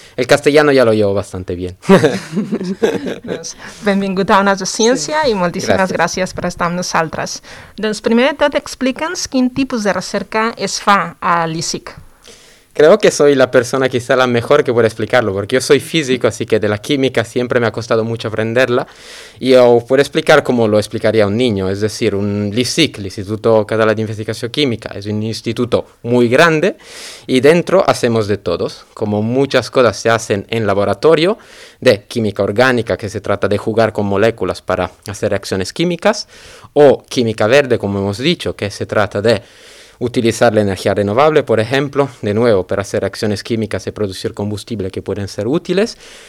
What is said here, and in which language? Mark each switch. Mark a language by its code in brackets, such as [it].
[es] El castellano ya lo llevo bastante bien. [ca] Benvingut a Ones de Ciència i moltíssimes gràcies per estar amb nosaltres. Doncs primer de tot, explica'ns quin tipus de recerca es fa a l'ICIC. [es] Creo que soy la persona quizá la mejor que pueda explicarlo, porque yo soy físico, así que de la química siempre me ha costado mucho aprenderla. Y yo puedo explicar como lo explicaría un niño, es decir, un LICIC, l'Instituto Català d'Investigació Química, es un instituto muy grande y dentro hacemos de todos, como muchas cosas se hacen en laboratorio, de química orgánica, que se trata de jugar con moléculas para hacer reacciones químicas, o química verde, como hemos dicho, que se trata de utilizar la energía renovable, por ejemplo, de nuevo, para hacer reacciones químicas y producir combustible que pueden ser útiles.